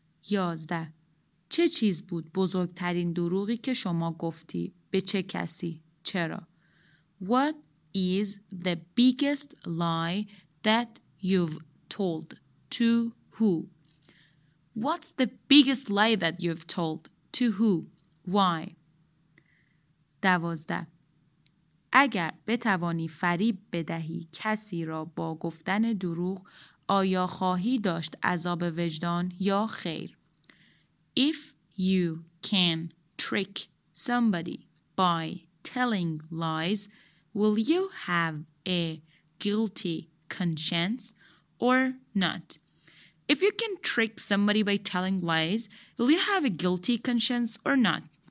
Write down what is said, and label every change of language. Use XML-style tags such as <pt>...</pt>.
<fa>11. چه چیز بود بزرگترین دروغی که شما گفتی؟ به چه کسی؟ چرا؟</fa> <en>What is the biggest lie that you've told to who? What's the biggest lie that you've told to who? Why? 12.</en> <fa>اگر بتوانی فریب بدهی کسی را با گفتن دروغ، آیا خواهی داشت عذاب وجدان یا خیر؟</fa> <en>If you can trick somebody by telling lies, will you have a guilty conscience or not? If you can trick somebody by telling lies, will you have a guilty conscience or not?</en>